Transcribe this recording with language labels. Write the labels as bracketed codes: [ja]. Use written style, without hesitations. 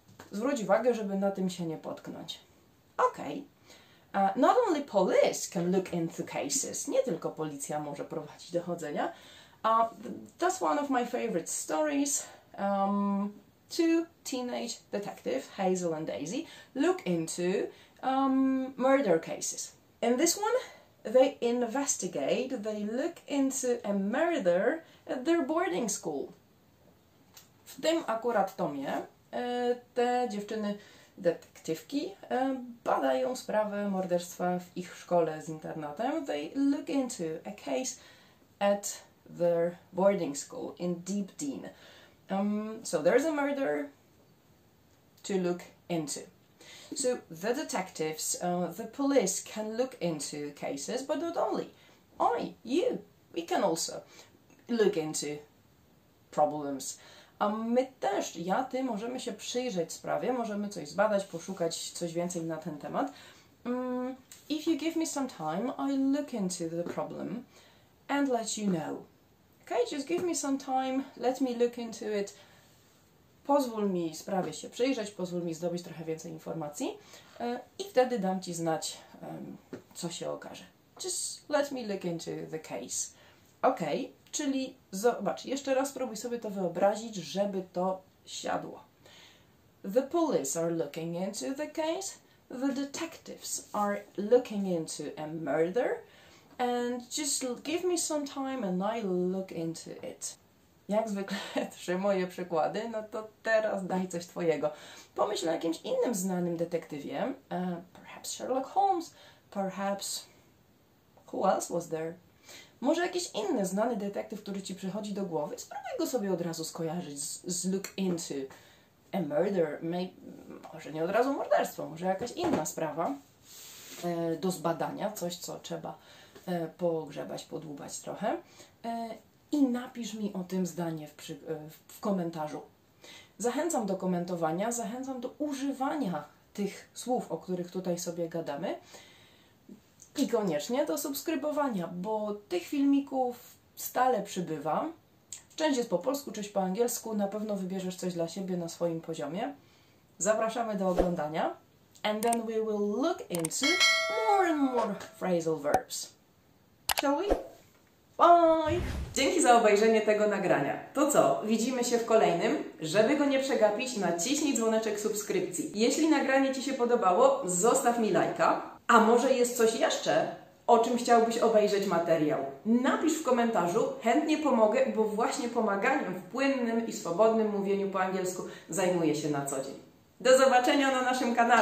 [pl] Zwróć uwagę, żeby na tym się nie potknąć. Okej. Okay. [en] Not only police can look into cases. [pl] Nie tylko policja może prowadzić dochodzenia. [en] That's one of my favorite stories. Two teenage detectives, Hazel and Daisy, look into murder cases. In this one, they investigate, they look into a murder at their boarding school. [pl] W tym akurat tomie te dziewczyny, detektywki, badają sprawę morderstwa w ich szkole z internatem. [en] They look into a case at their boarding school in Deep Dean. So there's a murder to look into. So the detectives, the police can look into cases, but not only. I, you, we can also look into problems. [pl] A my też, ja, ty, możemy się przyjrzeć sprawie, możemy coś zbadać, poszukać coś więcej na ten temat. [en] If you give me some time, I look into the problem and let you know. Okay, just give me some time, let me look into it. [pl] Pozwól mi sprawie się przyjrzeć, pozwól mi zdobyć trochę więcej informacji i wtedy dam Ci znać, co się okaże. [en] Just let me look into the case. [pl] Okej, okay, czyli zobacz, jeszcze raz spróbuj sobie to wyobrazić, żeby to siadło. [en] The police are looking into the case. The detectives are looking into a murder. And just give me some time and I'll look into it. [pl] Jak zwykle trzy moje przykłady, no to teraz daj coś Twojego. Pomyśl o jakimś innym znanym detektywie. [en] Perhaps Sherlock Holmes. Perhaps... Who else was there? [pl] Może jakiś inny znany detektyw, który Ci przychodzi do głowy? Spróbuj go sobie od razu skojarzyć z [en] look into a murder. [pl] Może nie od razu morderstwo, może jakaś inna sprawa do zbadania. Coś, co trzeba pogrzebać, podłubać trochę. I napisz mi o tym zdanie w komentarzu. Zachęcam do komentowania, zachęcam do używania tych słów, o których tutaj sobie gadamy i koniecznie do subskrybowania, bo tych filmików stale przybywa. Część jest po polsku, część po angielsku. Na pewno wybierzesz coś dla siebie na swoim poziomie. Zapraszamy do oglądania. [en] And then we will look into more and more phrasal verbs. Shall we? Bye! [pl] Dzięki za obejrzenie tego nagrania. To co? Widzimy się w kolejnym. Żeby go nie przegapić, naciśnij dzwoneczek subskrypcji. Jeśli nagranie Ci się podobało, zostaw mi lajka. A może jest coś jeszcze, o czym chciałbyś obejrzeć materiał? Napisz w komentarzu, chętnie pomogę, bo właśnie pomaganiem w płynnym i swobodnym mówieniu po angielsku zajmuję się na co dzień. Do zobaczenia na naszym kanale!